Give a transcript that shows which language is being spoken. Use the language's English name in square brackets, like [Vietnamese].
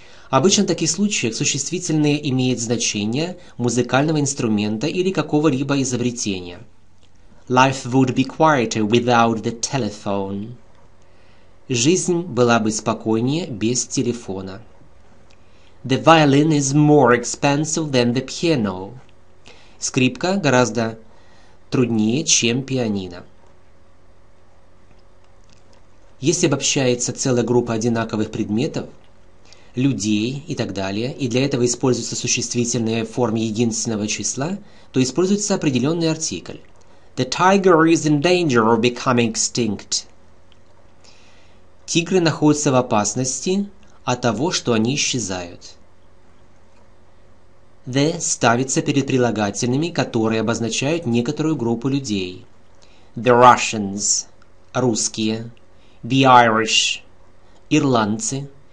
[Russian] Обычно в таких случаях существительное имеет значение музыкального инструмента или какого-либо изобретения. [English] Life would be quieter without the telephone. [Russian] Жизнь была бы спокойнее без телефона. [English] The violin is more expensive than the piano. [Russian] Скрипка гораздо труднее, чем пианино. Если обобщается целая группа одинаковых предметов, людей и так далее, и для этого используются существительные в форме единственного числа, то используется определенный артикль. [English] The tiger is in danger of becoming extinct. [Russian] Тигры находятся в опасности от того, что они исчезают. The ставится перед прилагательными, которые обозначают некоторую группу людей. [English] The Russians – [Russian] русские. [English] The Irish – [Russian] ирландцы.